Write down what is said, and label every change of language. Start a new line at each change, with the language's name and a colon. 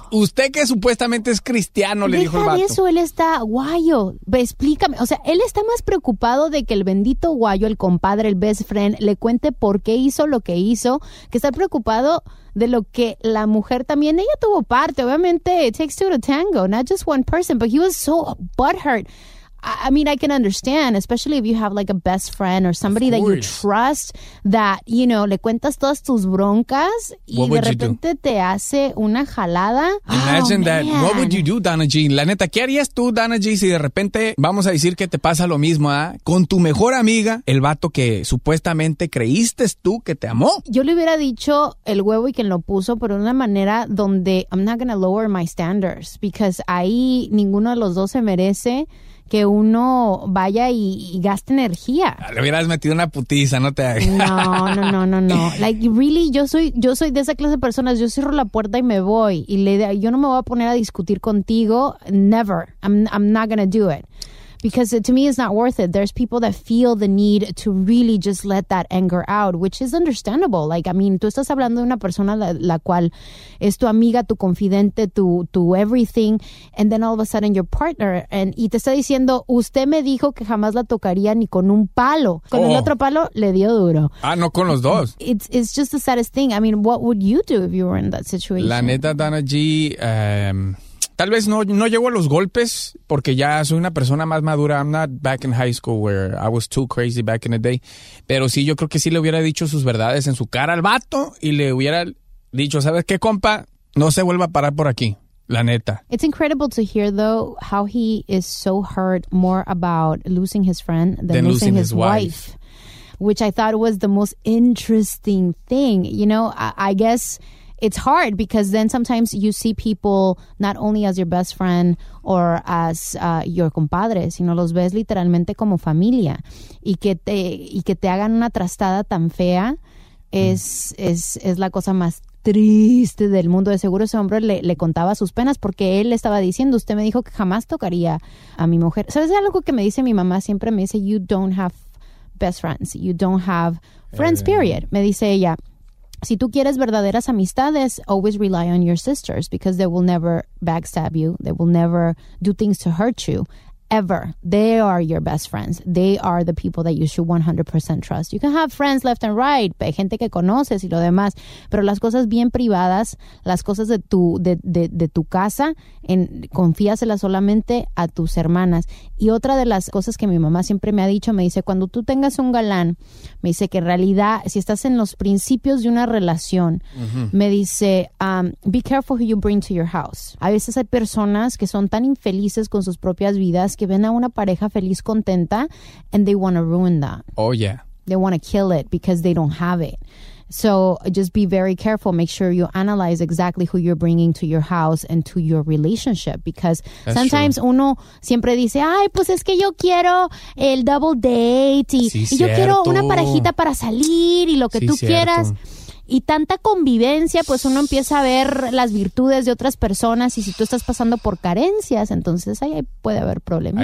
Spanish: Usted que supuestamente es cristiano, le dijo el vato. Deja eso, él está, guayo, explícame. O sea, él está más preocupado de que el bendito guayo, el compadre, el
English: best friend,
Spanish: le cuente por qué hizo lo que hizo, que está preocupado de lo que la mujer también, ella tuvo parte.
English: Obviamente, it takes two to tango, not just one person, but he was so butthurt. I mean, I can understand, especially if you have like a best friend or somebody that you trust, that, you know,
Spanish: le cuentas todas tus broncas y de repente te hace una jalada.
English: Imagine that. What would you do, Donna G?
Spanish: La neta, ¿qué harías tú, Donna G, si de repente, vamos a decir que te pasa lo mismo, con tu mejor amiga, el vato que supuestamente creíste tú que te amó? Yo le hubiera dicho el huevo y quien lo puso, pero de una manera donde
English: I'm not going to lower my standards, because
Spanish: ahí ninguno de los dos se merece que uno vaya y gaste energía. Le hubieras metido una putiza, no te hagas. No.
English: Like, really,
Spanish: yo soy de esa clase de personas. Yo cierro la puerta y me voy. Y yo no me voy a poner a discutir contigo.
English: Never. I'm not gonna do it. Because to me, it's not worth it. There's people that feel the need to really just let that anger out, which is understandable. Like, I mean,
Spanish: tú estás hablando de una persona la cual es tu amiga, tu confidente, tu
English: everything, and then all of a sudden your partner,
Spanish: y te está diciendo, usted me dijo que jamás la tocaría ni con un palo. Con el otro palo, le dio duro. Ah, no con los dos.
English: It's just the saddest thing. I mean, what would you do if you were in that situation?
Spanish: La neta, Donna G, tal vez no llego a los golpes porque ya soy una persona más madura.
English: I'm not back in high school where I was too crazy back in the day.
Spanish: Pero sí, yo creo que sí le hubiera dicho sus verdades en su cara al vato y le hubiera dicho, ¿sabes qué, compa? No se vuelva a parar por aquí, la neta.
English: It's incredible to hear, though, how he is so hurt more about losing his friend than losing his wife. Which I thought was the most interesting thing. You know, I guess it's hard because then sometimes you see people not only as your best friend or as your compadre,
Spanish: sino los ves literalmente como familia. Y que te hagan una trastada tan fea es la cosa más triste del mundo. De seguro ese hombre le contaba sus penas porque él le estaba diciendo, usted me dijo que jamás tocaría a mi mujer. ¿Sabes algo que me dice mi mamá? Siempre me dice,
English: you don't have best friends. You don't have friends, period.
Spanish: Me dice ella, si tú quieres verdaderas amistades,
English: always rely on your sisters because they will never backstab you. They will never do things to hurt you, ever. They are your best friends. They are the people that you should 100% trust. You can have friends left and right,
Spanish: hay gente que conoces y lo demás, pero las cosas bien privadas, las cosas de tu casa, confíaselas solamente a tus hermanas. Y otra de las cosas que mi mamá siempre me ha dicho, me dice, cuando tú tengas un galán, me dice que en realidad, si estás en los principios de una relación, me dice,
English: be careful who you bring to your house.
Spanish: A veces hay personas que son tan infelices con sus propias vidas que ven a una pareja feliz, contenta,
English: and they want to ruin that. Oh, yeah. They want to kill it because they don't have it. So just be very careful. Make sure you analyze exactly who you're bringing to your house and to your relationship. Because that's sometimes true.
Spanish: Uno siempre dice, ay, pues es que yo quiero el double date. Y yo quiero una parejita para salir y lo que tú quieras. Y tanta convivencia, pues uno empieza a ver las virtudes de otras personas. Y si tú estás pasando por carencias, entonces ahí puede haber problemas.